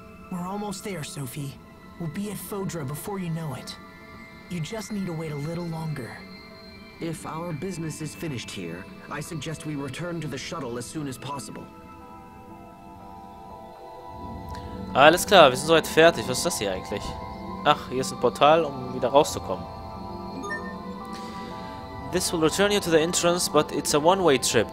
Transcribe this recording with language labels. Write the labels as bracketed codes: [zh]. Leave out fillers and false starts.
[en] We're almost there, Sophie. We'll be at Phaedra before you know it. You just need to wait a little longer. If our business is finished here, I suggest we return to the shuttle as soon as possible. [de] Alles klar, wir sind soweit fertig. Was ist das hier eigentlich? Ach, hier ist ein Portal, um wieder rauszukommen. [en] This will return you to the entrance, but it's a one-way trip.